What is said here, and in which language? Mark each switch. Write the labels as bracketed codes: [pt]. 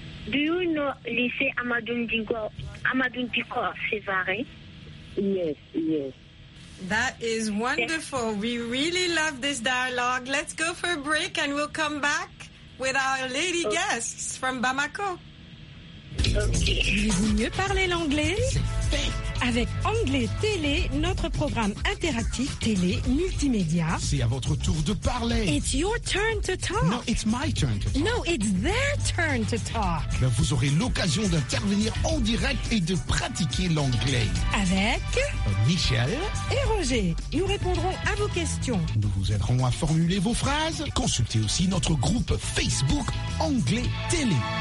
[en] Do you know Lycée Amadou Ndigo, Sevare? Yes. That is wonderful. Yes. We really love this dialogue. Let's go for a break and we'll come back with our lady guests from Bamako. [fr] Voulez-vous mieux parler l'anglais? Avec Anglais Télé, notre programme interactif télé multimédia. C'est à votre tour de parler. [en] It's your turn to talk. No, it's my turn to talk. No, it's their turn to talk. [fr] Mais vous aurez l'occasion d'intervenir en direct et de pratiquer l'anglais. Avec Michel et Roger. Nous répondrons à vos questions. Nous vous aiderons à formuler vos phrases. Consultez aussi notre groupe Facebook Anglais Télé.